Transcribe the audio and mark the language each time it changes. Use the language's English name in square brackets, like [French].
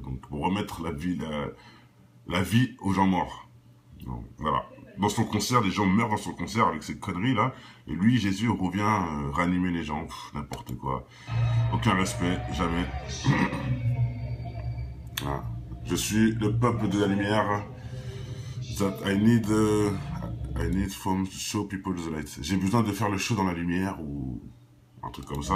[French] Donc, pour remettre la vie aux gens morts. Donc, voilà. Dans son concert, les gens meurent dans son concert avec ces conneries-là. Et lui, Jésus, revient réanimer les gens. Pff, n'importe quoi. Aucun respect, jamais. Ah. Je suis le peuple de la lumière. [English] That I need from to show people the light. [French] J'ai besoin de faire le show dans la lumière ou un truc comme ça.